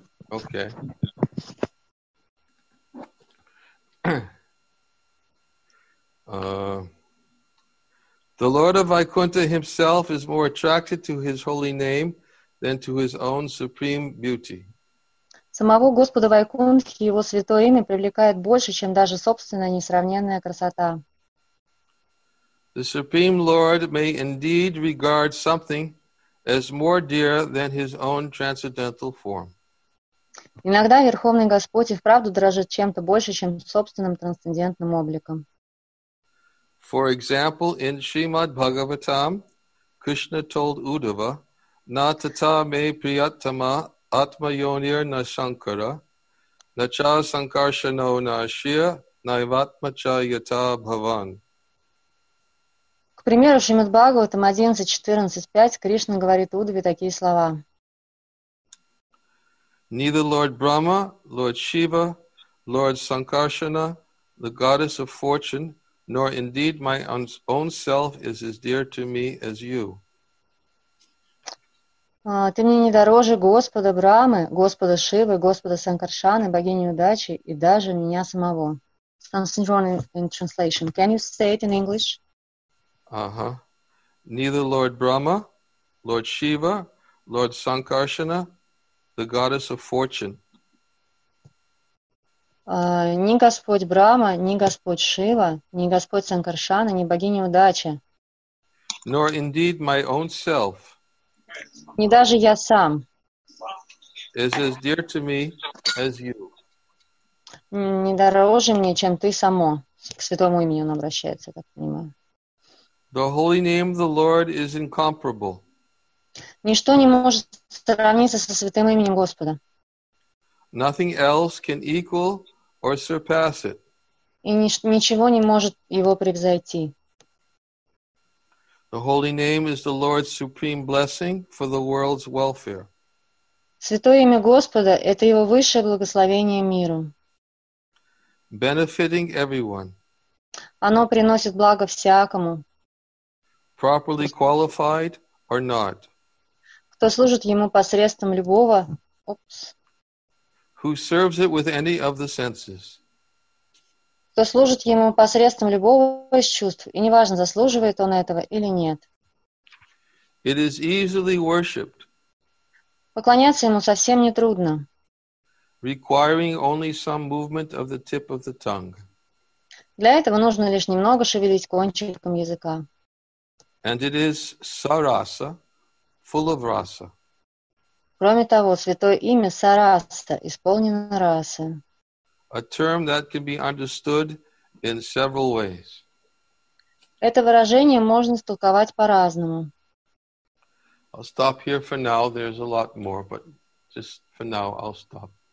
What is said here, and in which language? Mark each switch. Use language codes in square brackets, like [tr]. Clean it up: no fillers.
[en] Okay. The Lord of Vaikuntha himself is more attracted to his holy name than to his own supreme beauty. [ru] Самого Господа Вайкунтхи, его святое имя привлекает больше, чем даже собственная несравненная красота. [en] The Supreme Lord may indeed regard something as more dear than his own transcendental form. [ru] Иногда Верховный Господь и вправду дорожит чем-то больше, чем собственным трансцендентным обликом. [en] For example, in Srimad Bhagavatam, Krishna told Uddhava, [sa] Na tata me priyatama atma yonir na shankara, na cha sankarshano na shir, na ivatma cha yata bhavan. [ru] К примеру, Шримад Бхагаватам 11.14.5 Кришна говорит Уддхаве такие слова. [en] Neither Lord Brahma, Lord Shiva, Lord Sankarsana, the goddess of fortune, nor indeed my own self is as dear to me as you. [ru] Ты мне не дороже Господа Брамы, Господа Шивы, Господа Санкаршаны, богини удачи и даже меня самого. [en] Something wrong in translation. Can you say it in English? Neither Lord Brahma, Lord Shiva, Lord Sankarsana, the goddess of fortune. [ru] Ни Господь Брама, ни Господь Шива, ни Господь Санкаршана, ни богиня удачи. [en] Nor indeed my own self. [ru] Не даже я сам. [en] Is as dear to me as you. [ru] Не дороже мне, чем ты само. К святому имени он обращается, я так понимаю. [en] The holy name of the Lord is incomparable. [ru] Ничто не может сравниться со святым именем Господа. [en] Nothing else can equal or surpass it. [ru] И ничего не может его превзойти. [en] The holy name is the Lord's supreme blessing for the world's welfare. [ru] Святое имя Господа – это его высшее благословение миру. [en] Benefiting everyone. [ru] Оно приносит благо всякому. [en] Properly qualified or not. [ru] Кто служит ему посредством любого, [en] Who serves it with any of the senses? [ru] Кто служит ему посредством любого из чувств, и неважно, заслуживает он этого или нет. [en] It is easily worshipped. [ru] Поклоняться ему совсем не трудно. [en] Requiring only some movement of the tip of the tongue. [ru] Для этого нужно лишь немного шевелить кончиком языка. [en] And it is sarasa. Full of rasa. [ru] Кроме того, святое имя Сараса исполнено расы. [en] A term that can be understood in several ways. [ru] Это выражение можно истолковать по-разному. [en] I'll stop here for now. There's a lot more, but just for now I'll stop.